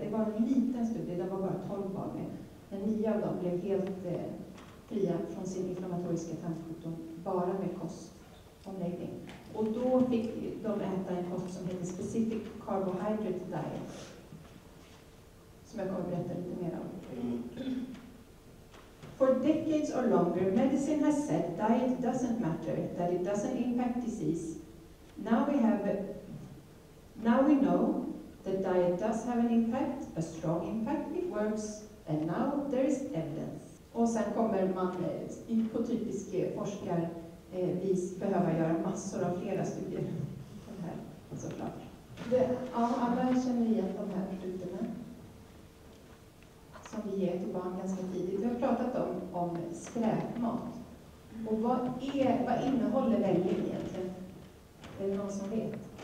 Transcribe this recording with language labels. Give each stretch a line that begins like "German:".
Swedish: Det var en liten studie, det var bara 12 barn med. Men 9 av dem blev helt fria från sin inflammatoriska tarmsjukdom bara med kostomläggning. Och då fick de äta en kost som heter Specific Carbohydrate Diet. Som jag kommer att berätta lite mer om.
English: For decades or longer, medicine has said diet doesn't matter, that it doesn't impact disease. Now we know that diet does have an impact, a strong impact, it works, and now there is evidence.
Swedish: Och sen kommer man på typisk forskarvis behöva göra massor av flera studier på det här, såklart. Alla känner igen de här produkterna som vi ger till barn ganska tidigt. Vi har pratat om skräpmat. Och vad innehåller välling egentligen? Är det någon som vet?